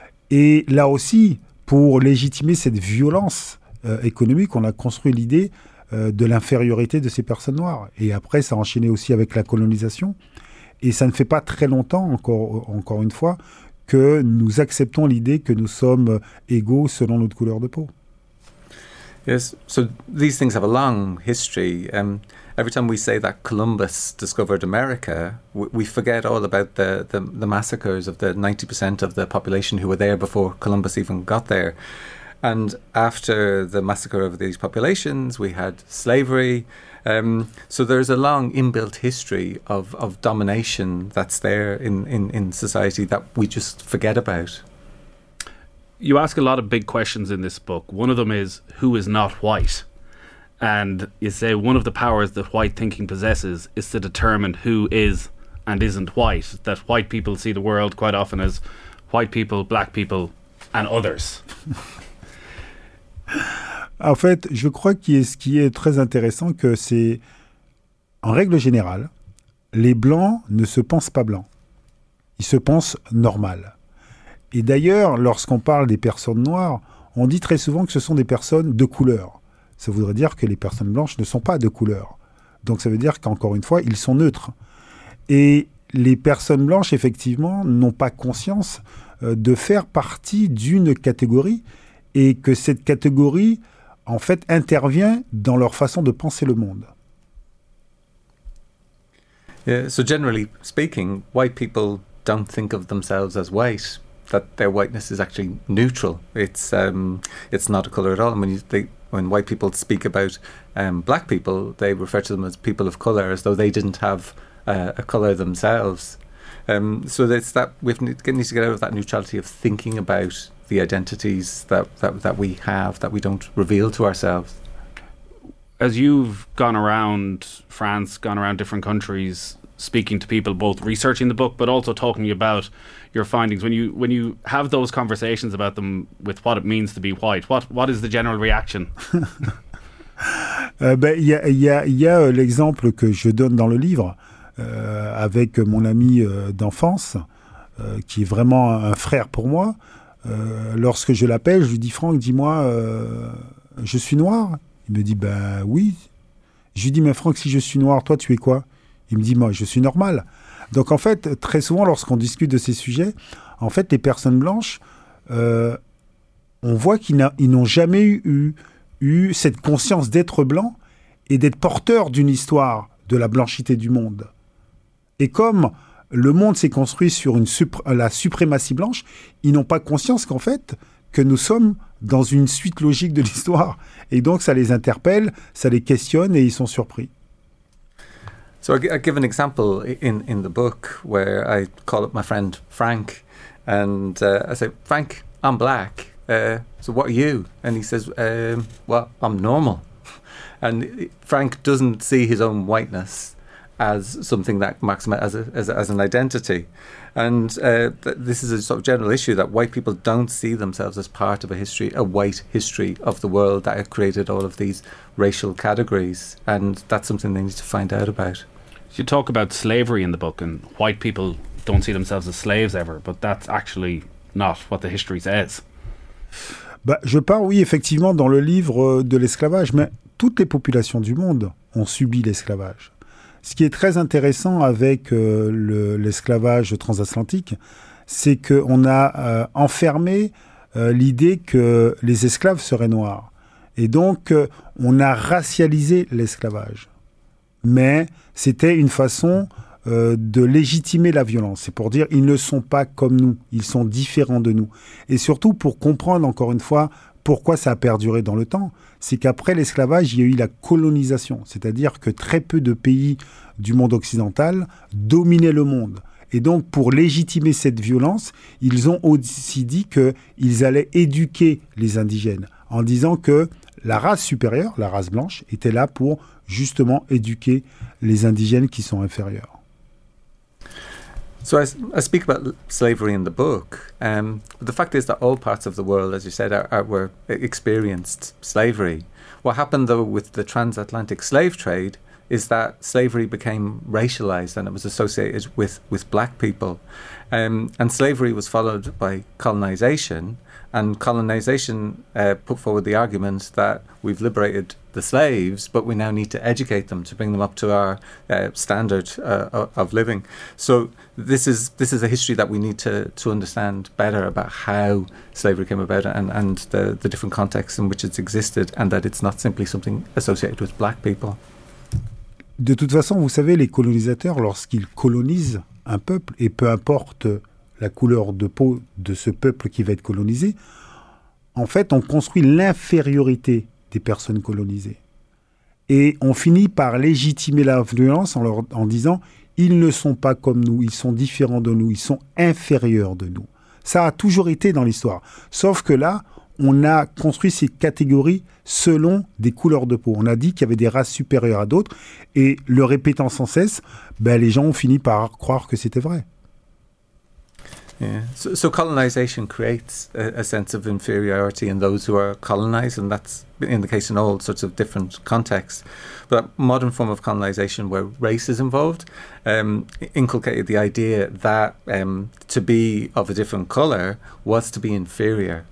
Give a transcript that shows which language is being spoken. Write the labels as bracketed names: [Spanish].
[French] Et là aussi, pour légitimer cette violence économique, on a construit l'idée de l'infériorité de ces personnes noires. Et après, ça a enchaîné aussi avec la colonisation. Et ça ne fait pas très longtemps, encore une fois, que nous acceptons l'idée que nous sommes égaux selon notre couleur de peau. [English] Yes, so these things have a long history. Every time we say that Columbus discovered America, we forget all about the massacres of the 90% of the population who were there before Columbus even got there. And after the massacre of these populations, we had slavery. So there's a long inbuilt history of domination that's there in society that we just forget about. You ask a lot of big questions in this book. One of them is, who is not white? And you say one of the powers that white thinking possesses is to determine who is and isn't white, that white people see the world quite often as white people, black people and others. [French] En fait, je crois que ce qui est très intéressant, que c'est, en règle générale, les blancs ne se pensent pas blancs. Ils se pensent normal. Et d'ailleurs, lorsqu'on parle des personnes noires, on dit très souvent que ce sont des personnes de couleur. Ça voudrait dire que les personnes blanches ne sont pas de couleur. Donc ça veut dire qu'encore une fois, ils sont neutres. Et les personnes blanches, effectivement, n'ont pas conscience de faire partie d'une catégorie et que cette catégorie, en fait, intervient dans leur façon de penser le monde. [English] Yeah, so generally speaking, white people don't think of themselves as white, that their whiteness is actually neutral. It's not a color at all. And when white people speak about black people, they refer to them as people of color, as though they didn't have a color themselves. So it's that we need to get out of that neutrality of thinking about the identities that we have that we don't reveal to ourselves. As you've gone around France, gone around different countries, speaking to people, both researching the book, but also talking about your findings, when you have those conversations about them with what it means to be white, what is the general reaction? [French] Il y a l'exemple que je donne dans le livre avec mon ami d'enfance qui est vraiment un frère pour moi. Lorsque je l'appelle, je lui dis: Franck, dis-moi, je suis noir? Il me dit: ben oui. Je lui dis: mais Franck, si je suis noir, toi tu es quoi? Il me dit: moi, je suis normal. Donc en fait, très souvent, lorsqu'on discute de ces sujets, en fait, les personnes blanches, on voit qu'ils n'ont jamais eu cette conscience d'être blanc et d'être porteur d'une histoire de la blanchité du monde. Et comme le monde s'est construit sur la suprématie blanche, ils n'ont pas conscience qu'en fait, que nous sommes dans une suite logique de l'histoire. Et donc, ça les interpelle, ça les questionne et ils sont surpris. [English] So I give an example in the book where I call up my friend Frank and I say, Frank, I'm black. So what are you? And he says, well, I'm normal. And Frank doesn't see his own whiteness as something that marks him as an identity. And this is a sort of general issue that white people don't see themselves as part of a history, a white history of the world that had created all of these racial categories. And that's something they need to find out about. So you talk about slavery in the book and white people don't see themselves as slaves ever, but that's actually not what the history says. [French] Bah, je parle, oui, effectivement, dans le livre de l'esclavage, mais toutes les populations du monde ont subi l'esclavage. Ce qui est très intéressant avec l'esclavage transatlantique, c'est qu'on a enfermé l'idée que les esclaves seraient noirs. Et donc, on a racialisé l'esclavage. Mais c'était une façon de légitimer la violence. C'est pour dire ils ne sont pas comme nous, ils sont différents de nous. Et surtout, pour comprendre encore une fois pourquoi ça a perduré dans le temps, c'est qu'après l'esclavage, il y a eu la colonisation. C'est-à-dire que très peu de pays du monde occidental dominaient le monde. Et donc, pour légitimer cette violence, ils ont aussi dit qu'ils allaient éduquer les indigènes en disant que la race supérieure, la race blanche, était là pour justement éduquer les indigènes qui sont inférieurs. [English] So I speak about slavery in the book. The fact is that all parts of the world, as you said, were experienced slavery. What happened, though, with the transatlantic slave trade is that slavery became racialized and it was associated with black people. And slavery was followed by colonization. And colonization put forward the argument that we've liberated the slaves, but we now need to educate them to bring them up to our standard of living. So this is a history that we need to understand better about how slavery came about and the different contexts in which it's existed, and that it's not simply something associated with black people. [French] De toute façon, vous savez, les colonisateurs, lorsqu'ils colonisent un peuple, et peu importe la couleur de peau de ce peuple qui va être colonisé, en fait, on construit l'infériorité des personnes colonisées. Et on finit par légitimer la violence en disant « ils ne sont pas comme nous, ils sont différents de nous, ils sont inférieurs de nous ». Ça a toujours été dans l'histoire. Sauf que là, on a construit ces catégories selon des couleurs de peau. On a dit qu'il y avait des races supérieures à d'autres, et le répétant sans cesse, ben, les gens ont fini par croire que c'était vrai. [English] Yeah. So colonization creates a sense of inferiority in those who are colonized, and that's in the case in all sorts of different contexts. But modern form of colonization where race is involved inculcated the idea that to be of a different color was to be inferior.